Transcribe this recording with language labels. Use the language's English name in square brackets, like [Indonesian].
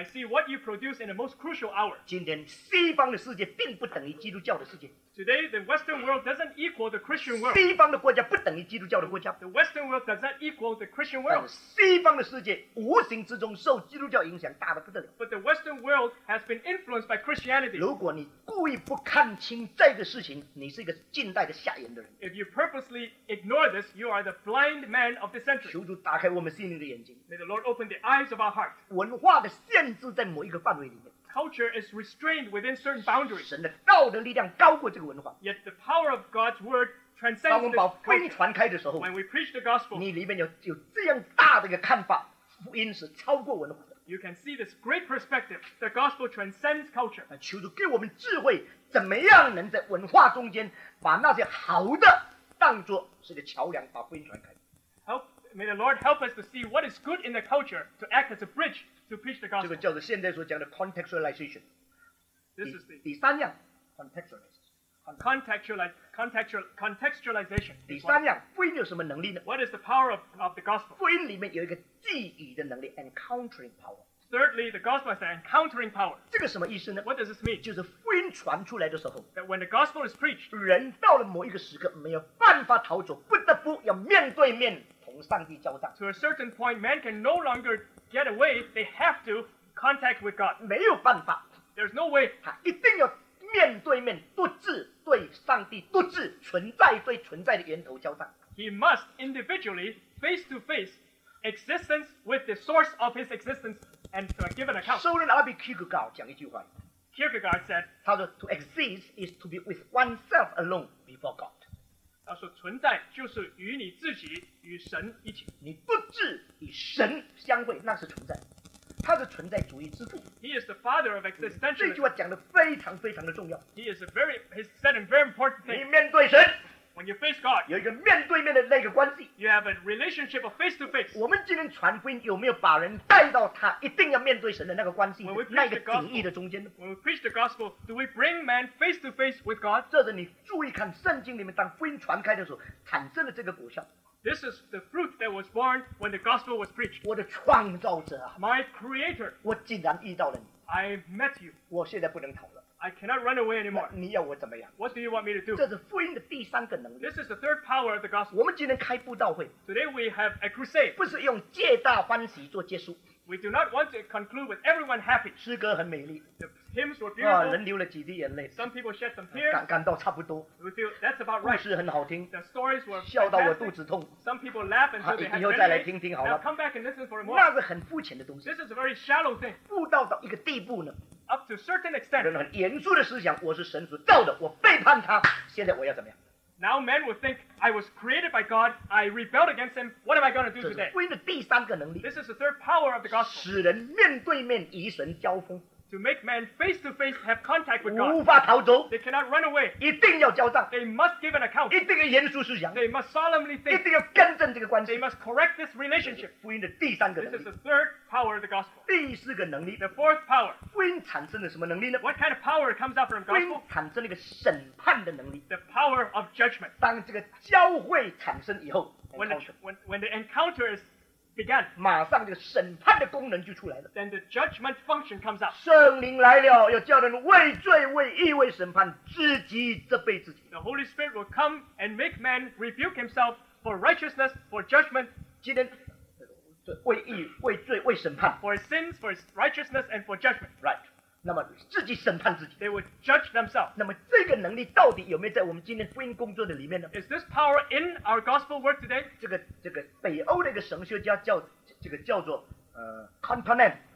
[English] ？I see what you produce in the most crucial hour. [Chinese] 今天西方的世界并不等于基督教的世界。 [English] Today, the Western world doesn't equal the Christian world. [Chinese] 西方的国家不等于基督教的国家。 [English] The Western world doesn't equal the Christian world. [Chinese] 但西方的世界无形之中受基督教影响大得不得了。 [English] But the Western world has been influenced by Christianity. [Chinese] 如果你故意不看清这个事情，你是一个近代的瞎眼的人。 [English] If you purposely ignore this, you are the blind man of the century. [Chinese] 求主打开我们心灵的眼睛。 [English] May the Lord open the eyes of our hearts. [Chinese] 文化的限制在某一个范围里面。 [English] Culture is restrained within certain boundaries. [Chinese] 神的道的力量高过这个文化。 [English] Yet the power of God's word transcends. [Chinese] 当我们把福音传开的时候 [English] ，When we preach the gospel, [Chinese] 你里面有这样大的一个看法，福音是超过文化的。 [English] You can see this great perspective. The gospel transcends culture. [Chinese] 求主给我们智慧，怎么样能在文化中间把那些好的当作是个桥梁，把福音传开。 [English] May the Lord help us to see what is good in the culture to act as a bridge to preach the gospel. [Chinese] 这个叫做现在所讲的 contextualization. [English] This is the [Chinese] 第三样 contextualization. [English] Contextualization. [Chinese] 第三样，福音有什么能力呢？ [English] What is the power of the gospel? [Chinese] 福音里面有一个寄语的能力 ， [English] encountering power. Thirdly, the gospel has an encountering power. [Chinese] 这个什么意思呢？ [English] What does this mean? [Chinese] 就是福音传出来的时候 [English] ，that when the gospel is preached, [Chinese] 人到了某一个时刻没有办法逃走，不得不要面对面。 [English] To a certain point, man can no longer get away. They have to contact with God. [Chinese] 没有办法 [English] There's no way. [Chinese] 他一定要面对面，独自对上帝，独自存在对存在的源头交战。 [English] He must individually, face to face, existence with the source of his existence, and give an account. [Chinese] 收人阿比基格高讲一句话。 [English] Kierkegaard said, 他说 ，To exist is to be with oneself alone before God. [Chinese] 他说存在就是与你自己与神一起你不自与神相会那是存在他是存在主义之父 [English] He is the father of existentialism [Chinese] 这句话讲得非常非常的重要 [English] He is a very, he said a very important thing [Chinese] 你面对神 [English] When you face God [Chinese] 有一个面对面的那个关系 [English] You have a relationship of face to face [Chinese] 我们今天传福音有没有把人带到他一定要面对神的那个关系 [English] When we [Chinese] 那个紧密的中间 [English] When we preach the gospel Do we bring man face to face with God [Chinese] 这是你注意看圣经里面当福音传开的时候产生了这个果效 [English] This is the fruit that was born when the gospel was preached [Chinese] 我的创造者啊 [English] My creator [Chinese] 我竟然遇到了你 [English] I met you [Chinese] 我现在不能逃了 [English] I cannot run away anymore. [Chinese] 你要我怎么样 [English] What do you want me to do? [Chinese] 这是福音的第三个能力。 [English] This is the third power of the gospel. [Chinese] 我们今天开布道会。 [English] Today we have a crusade. [Chinese] 不是用皆大欢喜做结束。 [English] We do not want to conclude with everyone happy. [Chinese] 诗歌很美丽。 [English] The hymns were beautiful. [Chinese] 人流了几滴眼泪。 [English] Some people shed some tears. [Chinese] 感到差不多。 [English] We feel that's about right. [Chinese] 故事很好听。 [English] The stories were [Chinese] 笑到我肚子痛。 [English] Some people laugh until they have [Chinese] finished. 以后再来听听好了。 [English] Now come back and listen for more. [Chinese] 那是很肤浅的东西。 [English] This is a very shallow thing. [Chinese] 布道到一个地步呢。 [English] Up to a certain extent, [Chinese] 人很严肃的思想，我是神所造的，我背叛他。现在我要怎么样 [English] ？Now men will think I was created by God. I rebelled against Him. What am I going to do today? [Chinese] 这是福音的第三个能力。 [English] This is the third power of the gospel. [Chinese] 使人面对面与神交锋。 [English] To make men face to face have contact with God. [Chinese] 无法逃走。 [English] They cannot run away. [Chinese] 一定要交账。 [English] They must give an account. [Chinese] 一定要严肃思想。 [English] They must solemnly think. [Chinese] 一定要更正这个关系。 [English] They must correct this relationship. [Chinese] 福音的第三个能力。 [English] This is the third. Power of the gospel. [Chinese] 第四个能力 [English] The fourth power. [Chinese] 福音产生了什么能力呢 [English] What kind of power comes out from gospel? [Chinese] 福音产生了一个审判的能力 [English] The power of judgment. [Chinese] 当这个交会产生以后 [English] When the encounter is began, [Chinese] 马上这个审判的功能就出来了 [English] Then the judgment function comes out. [Chinese] 圣灵来了，要叫人为罪、为义、为审判自己这辈子。 [English] The Holy Spirit will come and make man rebuke himself for righteousness, for judgment. [Chinese] 今天为义、为罪、为审判。 [English] For sins, for righteousness, and for judgment. [Chinese] Right. 那么自己审判自己。 [English] They would judge themselves. [Chinese] 那么这个能力到底有没有在我们今天福音工作的里面呢 [English] ？Is this power in our gospel work today? [Chinese] 这个北欧的一个神学家叫这个叫做Continent.